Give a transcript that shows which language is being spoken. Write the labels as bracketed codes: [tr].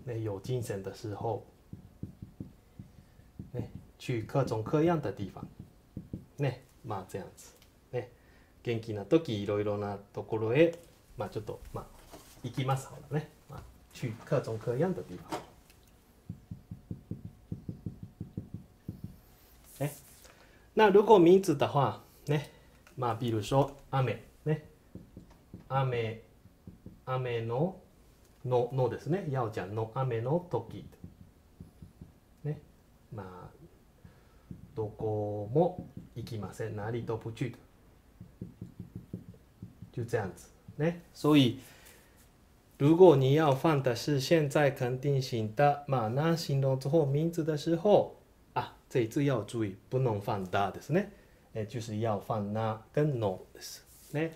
[zh] ね、有精神的时候、去各种各样的地方、まあ、这样子。 [ja] 元気な時、いろいろなところへ、まあちょっと、まあ、行きます。ほらね、まあ、 [zh] 去各种各样的地方。那如果名字的话、まあ、比如说、雨、雨の、のですね、要讲の、 [ja] 雨の時、まあ、どこも行きません。 [zh] 何都不去的。就这样子呢，所以如果你要放的是现在肯定型的嘛，那形容词或名词的时候啊，这一次要注意不能放大的是呢，就是要放那跟 no 的是呢。